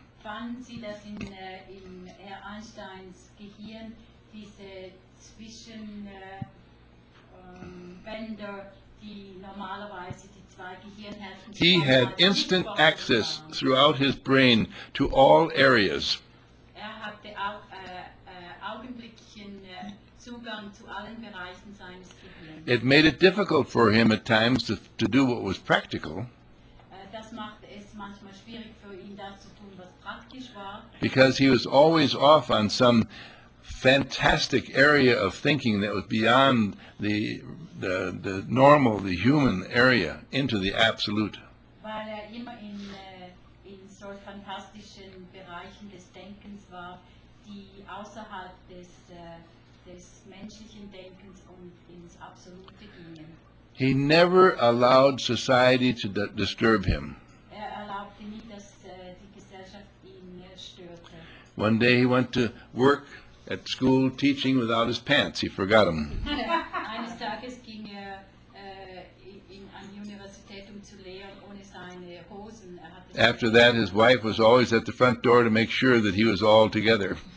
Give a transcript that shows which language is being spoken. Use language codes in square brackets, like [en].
[de] Fanden Sie das in Herr Einsteins Gehirn, diese Zwischenbänder, die normalerweise die zwei Gehirnhälften haben? [en] He had instant access throughout his brain to all areas. [de] Er hatte auch augenblicklichen Zugang zu allen Bereichen seines Gehirns. [en] It made it difficult for him at times to do what was practical. [de] Das machte es manchmal schwierig für ihn, das zu tun, was praktisch war. [en] Because he was always off on some fantastic area of thinking that was beyond the normal, the human area, into the absolute. [de] Weil er immer in so fantastischen Bereichen des Denkens war, die außerhalb des menschlichen Denkens und ins Absolute gingen. [en] He never allowed society to disturb him. [de] Er erlaubte nie, dass die Gesellschaft ihn störte. [en] One day he went to work at school teaching without his pants. He forgot them. [de] Eines Tages ging in an Universität zu lehren ohne seine Hosen. [en] After that, his wife was always at the front door to make sure that he was all together.